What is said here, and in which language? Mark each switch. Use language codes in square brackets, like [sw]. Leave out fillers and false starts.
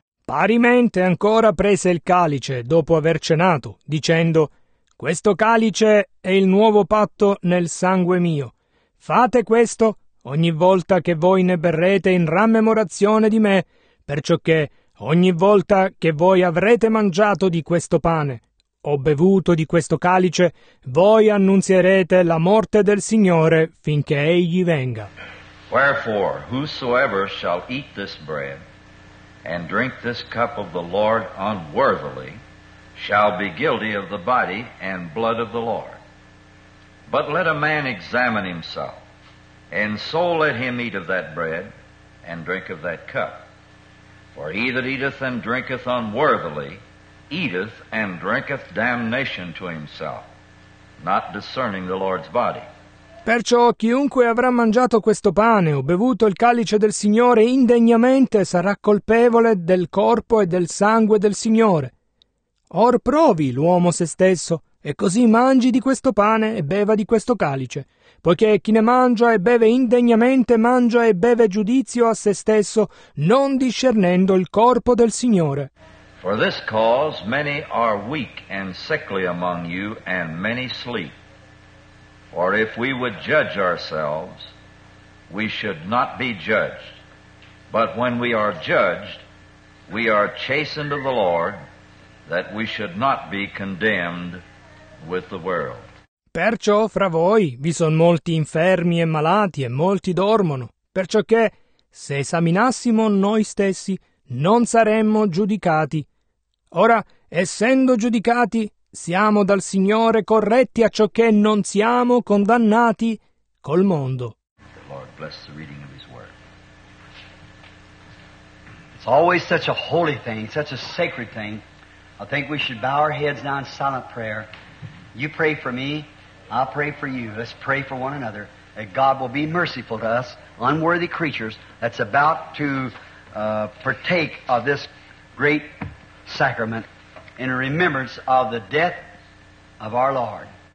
[it] Parimente ancora prese il calice dopo aver cenato, dicendo, questo calice è il nuovo patto nel sangue mio. Fate questo ogni volta che voi ne berrete in rammemorazione di me, perciò che Ogni volta che voi avrete mangiato di questo pane o bevuto di questo calice, voi annunzierete la morte del Signore finché egli venga. [en] Wherefore, whosoever shall eat this bread and drink this cup of the Lord unworthily shall be guilty of the body and blood of the Lord. But let a man examine himself, and so let him eat of that bread and drink of that cup. For he that eateth and drinketh unworthily eateth and drinketh damnation to himself, not discerning the Lord's body. [it] Perciò chiunque avrà mangiato questo pane o bevuto il calice del Signore indegnamente sarà colpevole del corpo e del sangue del Signore. Or provi l'uomo se stesso, e così mangi di questo pane e beva di questo calice, poiché chi ne mangia e beve indegnamente mangia e beve giudizio a se stesso, non discernendo il corpo del Signore. [en] For this cause many are weak and sickly among you, and many sleep. For if we would judge ourselves, we should not be judged. But when we are judged, we are chastened of the Lord, that we should not be condemned with the world. [it] Perciò fra voi vi sono molti infermi e malati, e molti dormono. Perciò che, se esaminassimo noi stessi, non saremmo giudicati. Ora, essendo giudicati, siamo dal Signore corretti a ciò che non siamo condannati col mondo. [en] The Lord bless the reading of His word. It's always such a holy thing, such a sacred thing. I think we should bow our heads now in silent prayer. You pray for me, I pray for you. Let's pray for one another that God will be merciful to us, unworthy creatures, that's about to partake of this great sacrament in remembrance of the death of our Lord.